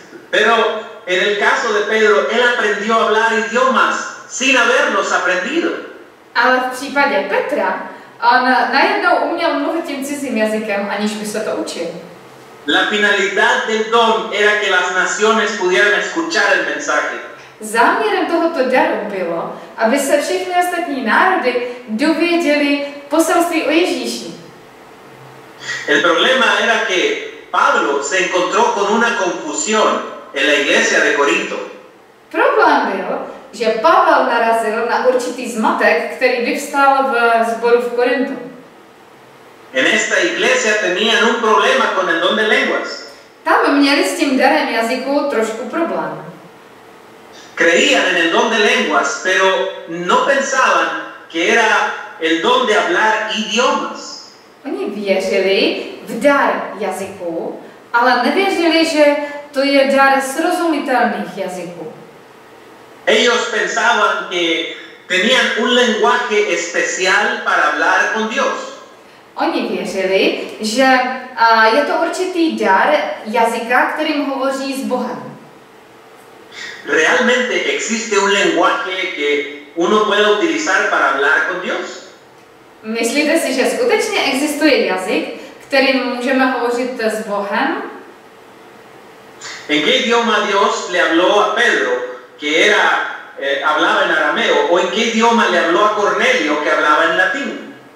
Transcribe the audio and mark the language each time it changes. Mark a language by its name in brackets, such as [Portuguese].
[Spanish] Pero en el caso de Pedro, él aprendió a hablar idiomas sin haberlos aprendido. [Czech] Ale v případě Petra, on najednou uměl mluvit tím cizím jazykem, aniž by se to učil. [Spanish] La finalidad del don era que las naciones pudieran escuchar el mensaje. [Czech] Záměrem tohoto daru bylo, aby se všechny ostatní národy dověděli poselství o Ježíši. [Spanish] El problema era que Pablo se encontró con una confusión en la iglesia de Corinto. [Czech] Problém byl, že Pavel narazil na určitý zmatek, který vyvstal v zboru v Korintu. [Spanish] En esta iglesia tenían un problema con el don de lenguas. [Czech] Tam měli s tím darem jazyku trošku problém. [Spanish] Creían en el don de lenguas, pero no pensaban que era el don de hablar idiomas. [Czech] Oni věřili v dar jazyku, ale nevěřili, že to je dar srozumitelných jazyků. [Spanish] Ellos pensaban que tenían un lenguaje especial para hablar con Dios. [Czech] Oni věřili, že je to určitý dar jazyka, kterým hovoří s Bohem. [Spanish] Realmente existe un lenguaje que uno puede utilizar para hablar con Dios? [Czech] Myslíte si, že skutečně existuje jazyk, kterým můžeme hovořit s Bohem? [Spanish] ¿En qué idioma Dios le habló a Pedro, que era hablaba en arameo, o en qué idioma le habló a Cornelio, que hablaba en latín?